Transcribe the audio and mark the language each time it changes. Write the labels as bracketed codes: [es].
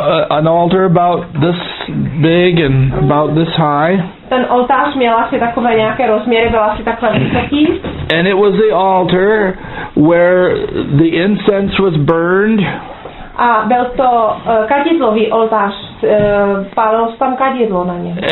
[en] An altar about this big and about this high. [cs] ten oltář měl asi takové nějaké rozměry, byl asi takhle vysoký. [en] And it was the altar where the incense was burned. [cs] A byl to kadidlový oltář, pálilo se tam kadidlo na něm.